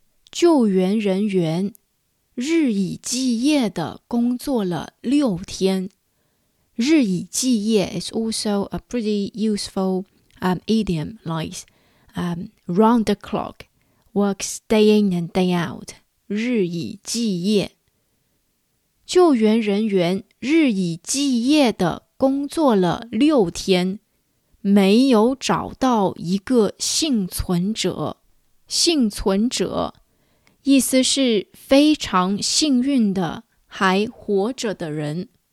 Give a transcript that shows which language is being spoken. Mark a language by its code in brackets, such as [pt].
[zh] 救援人员日以继夜的工作了6天。 [en] 日以继夜 is also a pretty useful idiom, like round the clock, works day in and day out. [zh] 日以继夜，救援人员日以继夜的工作了6天，没有找到一个幸存者。幸存者意思是非常幸运的还活着的人。